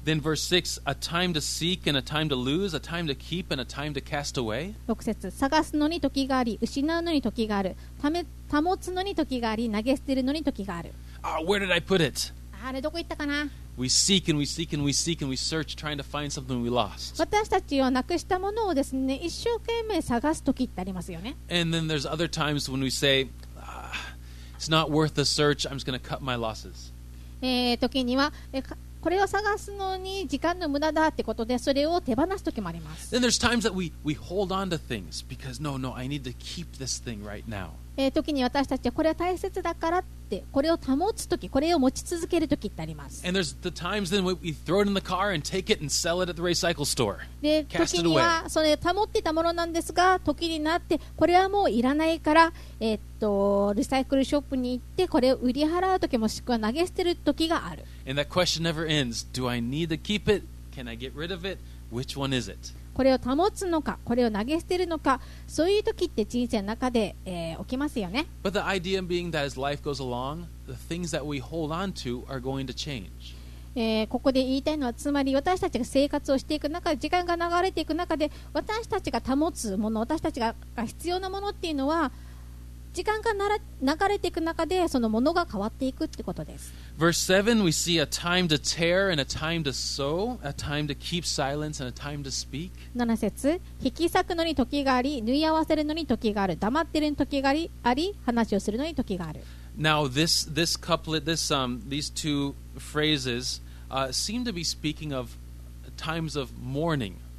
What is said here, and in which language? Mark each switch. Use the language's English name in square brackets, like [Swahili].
[English] Then verse 6, a time to seek and a time to lose, a time to keep and a time to cast away. [Japanese] 6節、探すのに時があり、失うのに時がある、保つのに時があり、投げ捨てるのに時がある。 [English] Where did I put it? [Japanese] あれどこ行ったかな。 [English] We seek and we seek and we seek and we search trying to find something we lost. [Japanese] 私たちはなくしたものをですね、一生懸命探す時ってありますよね。 [English] And then there's other times when we sayIt's not worth the search. I'm just going to cut my losses. [Japanese] 時には、これを探すのに時間の無駄だってことで、それを手放す時もあります。 [English] Then there's times that we hold on to things because no, I need to keep this thing right now. [Japanese] 時に私たちはこれは大切だからって、これを保つ時、これを持ち続ける時ってあります。 [English] And there's the times then we throw it in the car and take it and sell it at the recycle store. [Japanese] で、時にはそれ保ってたものなんですが、時になってこれはもういらないから、リサイクルショップに行ってこれを売り払う時、もしくは投げ捨てる時がある。 [English] And that question never ends. Do I need to keep it? Can I get rid of it? Which one is it? [Japanese] これを保つのか、これを投げ捨てるのか、そういう時って人生の中で、起きますよね。 [English] But the idea being that as life goes along, the things that we hold on to are going to change. [Japanese] ここで言いたいのは、つまり私たちが生活をしていく中で、時間が流れていく中で、私たちが保つもの、私たちが必要なものっていうのは、時間が流れていく中でそのものが変わっていくってことです。 [English] Verse 7, we see a time to tear and a time to sow, a time to keep silence and a time to speak. [Japanese] 7節、引き裂くのに時があり、縫い合わせるのに時がある、黙ってるのに時があり、話をするのに時がある。 [English] Now this couplet, these two phrases, seem to be speaking of times of mourning.